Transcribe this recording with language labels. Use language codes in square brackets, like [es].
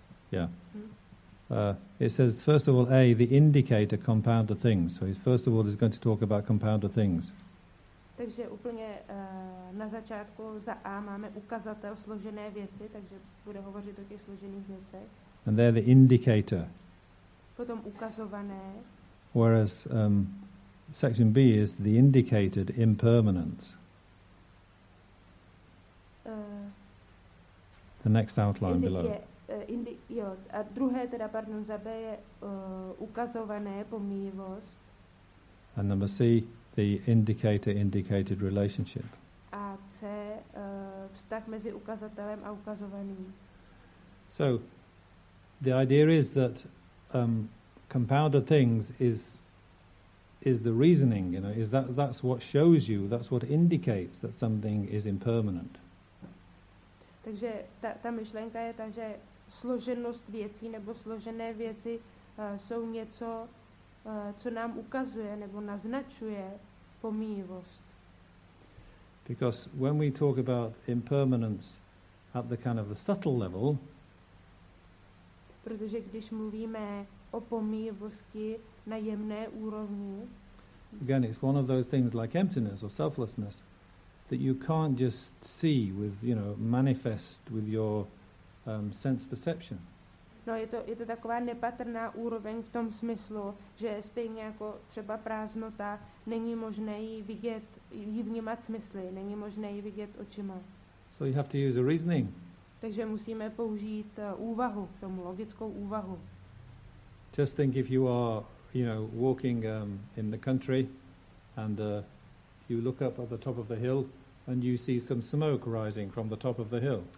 [en] Yeah. It says, first of all, A, the indicator compounder things. So first of all, he's going to talk about compounder things. [cs] Takže úplně na začátku za A máme ukazatel složené věci, takže bude hovořit o těch složených věcech. [en] And they're the indicator. [cs] Potom ukazované. [en] Whereas section B is the indicated impermanence. The next outline below. [cs] A druhé teda, pardon, za B je ukazované pomíjivost. [en] And number C, the indicator-indicated relationship. [cs] A C, vztah mezi ukazatelem a ukazovaným. [en] So, the idea is that compounded things is the reasoning, you know, is that that's what shows you, that's what indicates that something is impermanent. [cs] Takže ta myšlenka je ta, že složenost věcí nebo složené věci jsou něco, co nám ukazuje nebo naznačuje pomíjivost. [en] Because when we talk about impermanence at the kind of the subtle level, [cs] protože když mluvíme o pomíjivosti na jemné úrovni, [en] again it's one of those things like emptiness or selflessness that you can't just see with, you know, manifest with your sense perception. [cs] No, je to taková nepatrná úroveň v tom smyslu, že stejně jako třeba prázdnota, není možné ji vnímat smysly, není možné ji vidět očima. [en] So you have to use a reasoning. [cs] Takže musíme použít úvahu, tomu logickou úvahu. [en] Just think if you are, you know, walking in the country and you look up at the top of the hill and you see some smoke rising from the top of the hill.